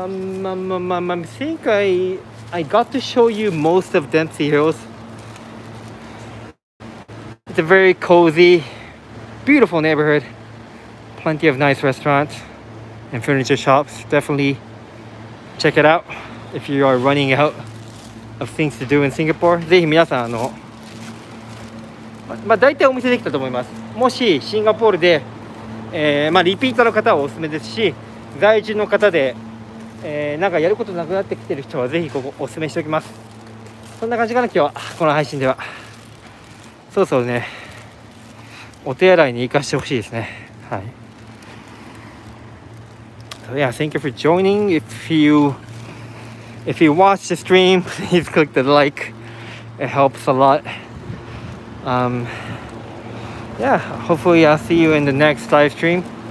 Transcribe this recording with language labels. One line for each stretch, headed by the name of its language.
English: I think I got to show you most of Dempsey Hills. It's a very cozy, beautiful neighborhood. Plenty of nice restaurants and furniture shops. Definitely check it out if you are running out. Of things to do in Singapore.
Japanese: ぜひ皆さんあの、まあ大体お店できたと思います。もしシンガポールで、まあリピーターの方はおすすめですし、在住の方で、なんかやることなくなってきてる人はぜひここおすすめしておきます。そんな感じかな今日はこの配信では。そうそうね、お手洗いに行かしてほしいですね。はい。
English: So yeah, thank you for joining. If you watch the stream, please click the like. It helps a lot. Hopefully I'll see you in the next live stream.